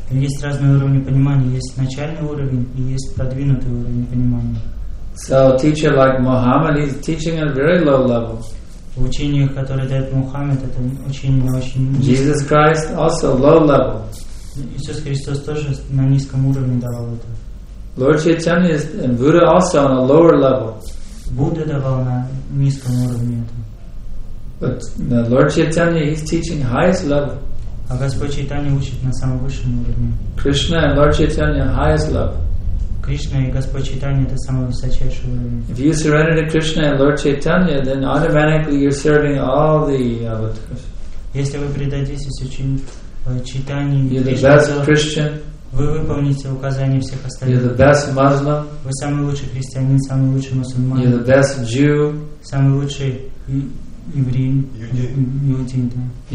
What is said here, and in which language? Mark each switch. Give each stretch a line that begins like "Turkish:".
Russian: Есть разные уровни понимания. Есть начальный уровень и есть продвинутый уровень понимания.
English: So a teacher like Muhammad, he's teaching at a very low level.
Russian: Учение, которое дает Мухаммед, это учение очень низкое.
English: Jesus Christ also low level.
Russian: Иисус Христос тоже на низком уровне давал это.
English: Lord Chaitanya and Buddha also on a lower level.
Russian: Будда давал на низком уровне это.
English: But the Lord Chaitanya, he's teaching highest level.
Russian: А Господь Чайтанья учит на самом высшем уровне.
English: Krishna and Lord Chaitanya highest level.
Russian: Кришна и Господь Чайтанья — это самый высочайший уровень.
English: If you surrender to Krishna and Lord Chaitanya, then automatically you're serving all the avatars.
Russian: Если вы предадитесь очень Чайтанье,
English: you're the best Christian.
Russian: Вы выполните указания всех остальных.
English: You're the best Muslim.
Russian: Вы самый лучший христианин, самый лучший мусульманин.
English: You're the best Jew.
Russian: Самый лучший еврей. Иудей. Да.